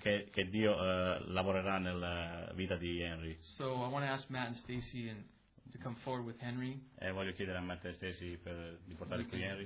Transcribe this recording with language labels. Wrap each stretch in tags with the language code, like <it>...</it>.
<it>Che Dio lavorerà nella vita di Henry.</it> <en>So I want to ask Matt and Stacy to come forward with Henry.</en> <it>E voglio chiedere a Matt e Stacy di portare qui Henry.</it>